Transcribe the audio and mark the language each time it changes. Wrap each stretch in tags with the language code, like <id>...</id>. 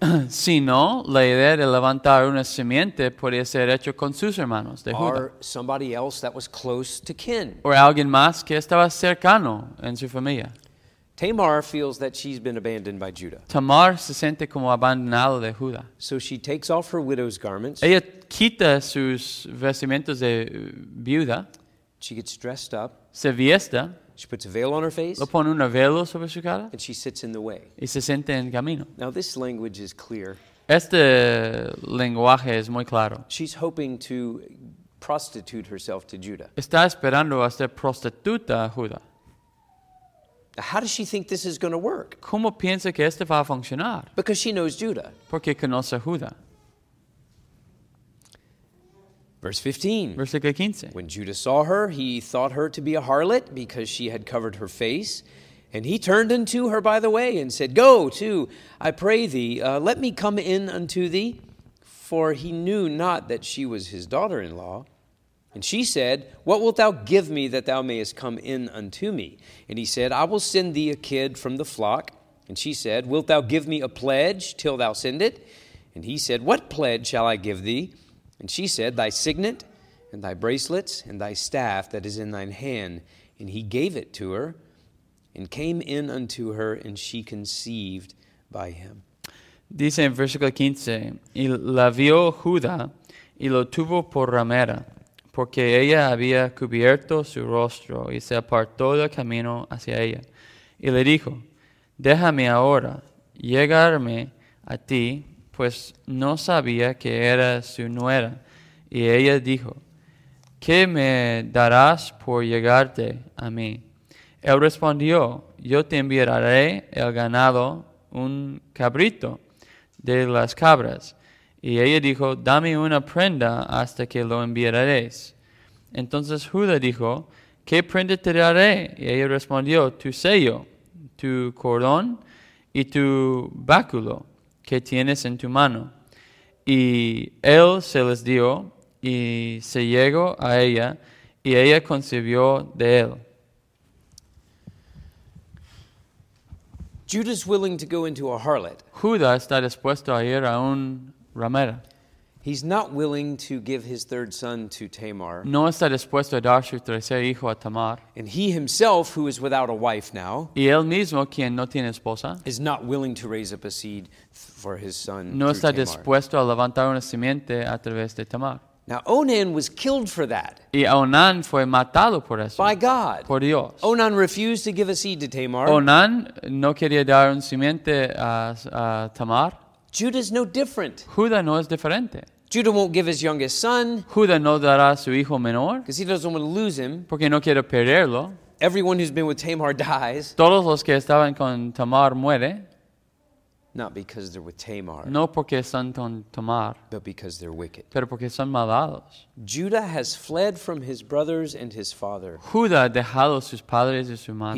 <es>Si no, la idea de levantar una simiente podría ser hecho con sus hermanos de Judá.</es> <en>Or somebody else that was close to kin.</en> <es>Or alguien más que estaba cercano en su familia.</es> <en>Tamar feels that she's been abandoned by Judah.</en> <es>Tamar se siente como abandonado de Judá.</es> <en>So she takes off her widow's garments.</en> <es>Ella quita sus vestimentos de viuda.</es> <en>She gets dressed up.</en> <es>Se viesta.</es> <en>She puts a veil on her face.</en> <es>Lo pone un velo sobre su cara.</es> <en>And she sits in the way.</en> <es>Y se siente en camino.</es> <en>Now this language is clear.</en> <es>Este lenguaje es muy claro.</es> <en>She's hoping to prostitute herself to Judah.</en> <es>Está esperando a ser prostituta a Judah.</es> <en>Now, how does she think this is going to work?</en> <es>¿Cómo piensa que esto va a funcionar?</es> <en>Because she knows Judah.</en> <es>Porque conoce a Judah.</es> <en>Verse 15. When Judah saw her, he thought her to be a harlot because she had covered her face. And he turned unto her by the way and said, Go to, I pray thee, let me come in unto thee. For he knew not that she was his daughter-in-law. And she said, What wilt thou give me that thou mayest come in unto me? And he said, I will send thee a kid from the flock. And she said, Wilt thou give me a pledge till thou send it? And he said, What pledge shall I give thee? And she said, Thy signet, and thy bracelets, and thy staff that is in thine hand. And he gave it to her, and came in unto her, and she conceived by him.</en> <es>Dice en versículo 15, Y la vio Judá, y lo tuvo por ramera, porque ella había cubierto su rostro, y se apartó del camino hacia ella. Y le dijo, Déjame ahora llegarme a ti, pues no sabía que era su nuera. Y ella dijo, ¿Qué me darás por llegarte a mí? Él respondió, Yo te enviaré el ganado, un cabrito de las cabras. Y ella dijo, Dame una prenda hasta que lo enviaréis. Entonces Judá dijo, ¿Qué prenda te daré? Y ella respondió, Tu sello, tu cordón y tu báculo. Que tienes en tu mano. Y él se les dio y se llegó a ella y ella concibió de él.</es> <en>Judah's willing to go into a harlot.</en> <es>Judah está dispuesto a ir a un ramera.</es> <en>He's not willing to give his third son to Tamar.</en> <es>No está dispuesto a dar su tercer hijo a Tamar.</es> <en>And he himself, who is without a wife now,</en> <es>y él mismo, quien no tiene esposa,</es> <en>is not willing to raise up a seed for his son.</en> <es>No está dispuesto a levantar una simiente a través de Tamar.</es> <en>Now Onan was killed for that.</en> <es>Y Onan fue matado por eso.</es> <en>By God.</en> <es>Por Dios.</es> <en>Onan refused to give a seed to Tamar.</en> <es>Onan no quería dar un simiente a Tamar.</es> <en>Judah's no different.</en> <es>Judah no es diferente.</es> <en>Judah won't give his youngest son.</en> <es>Judah no dará a su hijo menor.</es> <en>Because he doesn't want to lose him.</en> <es>Porque no quiere perderlo.</es> <en>Everyone who's been with Tamar dies.</en> <es>Todos los que estaban con Tamar mueren.</es> <en>Not because they're with Tamar.</en> <es>No porque están con Tamar.</es> <en>But because they're wicked.</en> <es>Pero porque son malvados.</es> <en>Judah has fled from his brothers and his father.</en> <es>Judah ha dejado sus padres y su madre.</es>